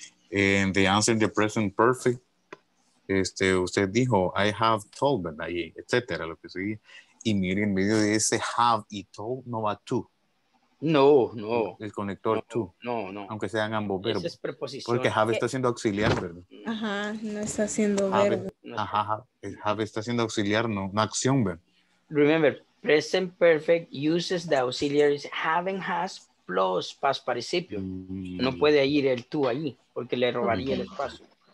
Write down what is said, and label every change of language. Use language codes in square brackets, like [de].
[en] In the answer in the present perfect, [es] usted dijo, [en] I have told them, [es] ahí, etcétera, lo que sigue. Y mire, en medio de ese have y told, no va to. No, no. El conector no, [en] to. [es] No, no. Aunque sean ambos verbos. Esa es preposición. Porque have está siendo auxiliar, ¿verdad? Ajá, no está siendo [en] have, [es] verbo. Ajá, have está siendo auxiliar, no, una acción, ¿verdad? [en] Remember, present perfect uses the auxiliaries have and has plus past participio. [es] No puede ir el to ahí, porque le robaría el espacio.